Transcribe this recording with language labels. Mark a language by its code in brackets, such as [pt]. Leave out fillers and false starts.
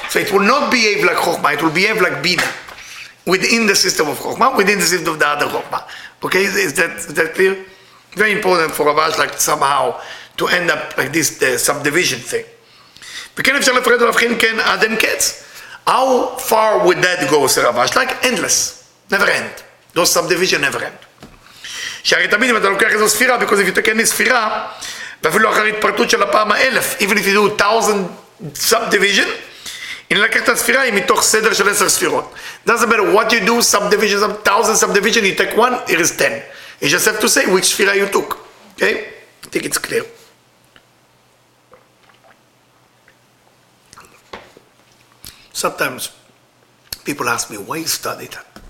[en] So it will not behave like chokma, it will behave like bina. Within the system of chokma, within the system of the other chokma. Okay, is that clear? Very important for Rabash, like somehow to end up like this, the subdivision thing. [he] וכן אפשר לפרט עליו חין כן עד אין קץ. [en] How far would that go, Rav Ashi? Like endless, never end. Those subdivision never end. [he] שהרי תמיד אם אתה לוקח איזו ספירה, [en] because if you take any ספירה, [he] ואפילו אחר התפרטות של הפעם האלף, [en] even if you do 1,000 subdivision, [he] אם לקחת את הספירה היא מתוך סדר של 10 ספירות. [en] Doesn't matter what you do, subdivision, 1,000 subdivision, you take one, it is 10. You just have to say which ספירה you took. Okay? I think it's clear. Sometimes people ask me, why you study that?